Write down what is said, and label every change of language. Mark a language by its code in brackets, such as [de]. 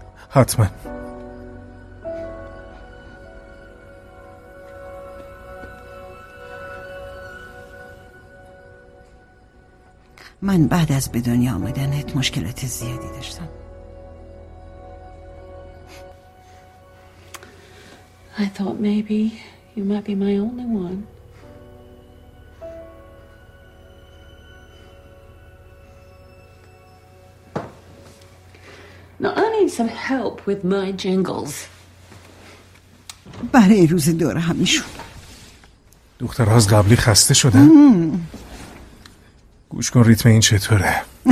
[fa] حتما. من بعد از به دنیا آمدنت مشکلات زیادی داشتم. [en] I thought maybe you might be my only one. Now I need some help with my jingles. [fa] برای روز دور همیشون. دخترها از قبلی خسته شدن؟ گوش کن ریتم این چطوره.